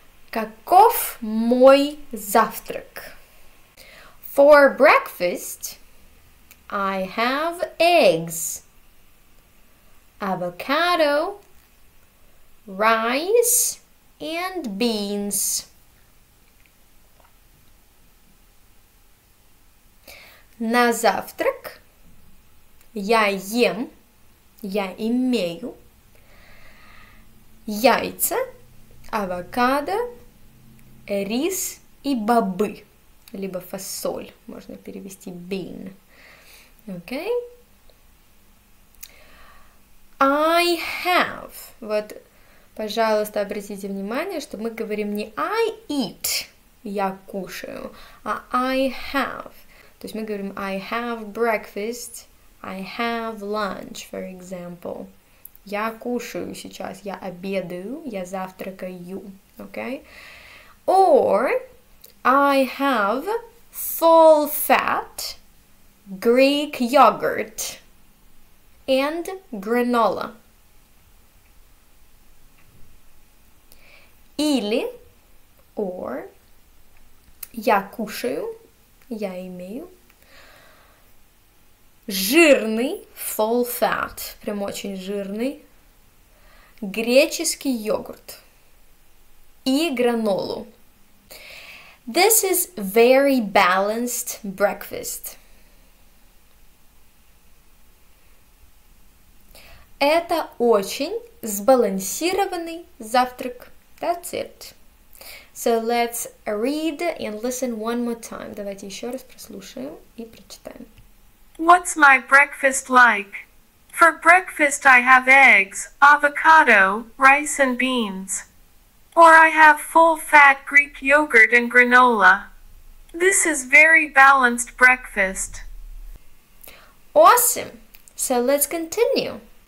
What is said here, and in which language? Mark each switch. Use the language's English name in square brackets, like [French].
[Russian] Каков мой завтрак? [English] For breakfast, I have eggs, avocado, rice, and beans. [Russian] На завтрак я ем, я имею яйца, авокадо, рис и бобы, либо фасоль, можно перевести bean. [English] Okay. I have. [Russian] Вот, пожалуйста, обратите внимание, что мы говорим не [English] I eat, [Russian] я кушаю, а [English] I have. [Russian] То есть мы говорим [English] I have breakfast, I have lunch, for example. [Russian] Я кушаю сейчас, я обедаю, я завтракаю. [English] Okay? Or I have full fat Greek yogurt and granola. [Russian] Или, or, я кушаю, я имею жирный, full fat, прям очень жирный, греческий йогурт и гранолу. [English] This is very balanced breakfast. [Russian] Это очень сбалансированный завтрак. [English] That's it. So let's read and listen one more time. [Russian] Давайте еще раз прослушаем и прочитаем. [English] What's my breakfast like? For breakfast I have eggs, avocado, rice and beans. Or I have full-fat Greek yogurt and granola. This is very balanced breakfast. Awesome! So let's continue.